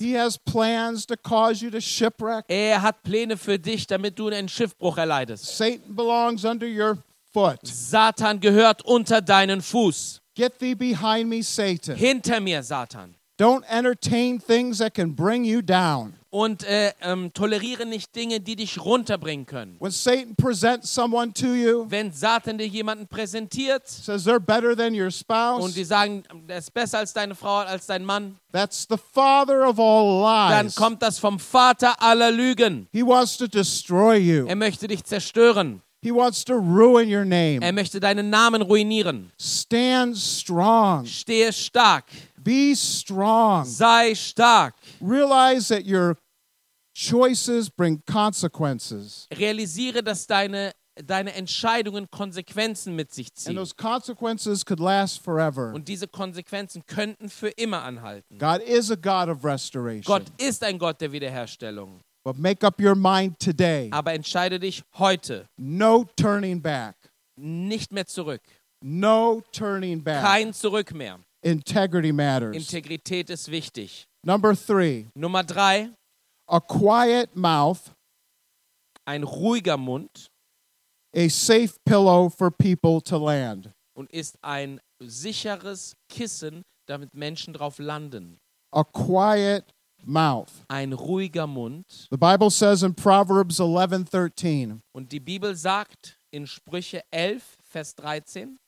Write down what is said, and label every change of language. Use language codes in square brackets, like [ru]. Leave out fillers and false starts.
[en] He has plans to cause you to shipwreck. [de] Er hat Pläne für dich, damit du einen Schiffbruch erleidest. [en] Satan belongs under your foot. [de] Satan gehört unter deinen Fuß. [en] Get thee behind me, Satan. [de] Hinter mir, Satan. [en] Don't entertain things that can bring you down. [de] Und toleriere nicht Dinge, die dich runterbringen können. [en] When Satan presents someone to you, [de] wenn Satan dir jemanden präsentiert, [en] says they're better than your spouse, [de] und die sagen, er ist besser als deine Frau, als dein Mann, [en] that's the father of all lies. [de] Dann kommt das vom Vater aller Lügen. [en] He wants to destroy you. [de] Er möchte dich zerstören. [en] He wants to ruin your name. [de] Er möchte deinen Namen ruinieren. [en] Stand strong. [de] Stehe stark. [en] Be strong. [de] Sei stark. [en] Realize that your choices bring consequences. [de] Realisiere, dass deine Entscheidungen Konsequenzen mit sich ziehen. [en] And those consequences could last forever. [de] Und diese Konsequenzen könnten für immer anhalten. [en] God is a God of restoration. [de] Gott ist ein Gott der Wiederherstellung. [en] But make up your mind today. [de] Aber entscheide dich heute. [en] No turning back. [de] Nicht mehr zurück. [en] No turning back. [de] Kein Zurück mehr. [en] Integrity matters. [de] Integrität ist wichtig. [en] Number three. [de] Nummer drei. [en] A quiet mouth. [de] Ein ruhiger Mund. [en] A safe pillow for people to land. [de] Und ist ein sicheres Kissen, damit Menschen drauf landen. [en] A quiet mouth. [de] Ein ruhiger Mund. [en] The Bible says in Proverbs 11:13. [de] Und die Bibel sagt in Sprüche 11, Vers 13.